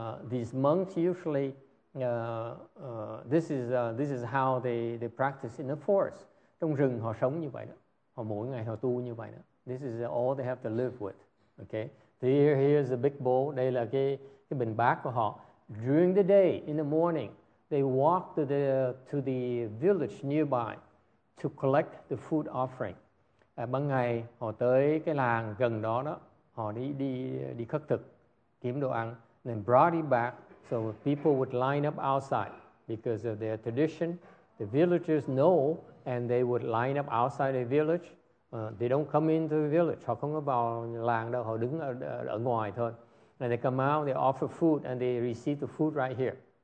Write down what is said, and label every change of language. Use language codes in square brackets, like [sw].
[en] These monks usually, this is how they practice in the forest. [vi] Trong rừng họ sống như vậy đó, họ mỗi ngày họ tu như vậy đó. [en] This is all they have to live with. Okay. Here is a big bowl. [vi] Đây là cái bình bát của họ. [en] During the day, in the morning, they walk to the village nearby to collect the food offering. [vi] À, ban ngày họ tới cái làng gần đó đó, họ đi khất thực, kiếm đồ ăn. [en] Then brought it back, so people would line up outside because of their tradition. The villagers know, and they would line up outside the village. They don't come into the village. [vi] Họ không có vào làng đâu. Họ đứng ở ngoài thôi. [en] And they come out, they offer food, and they receive the food right here.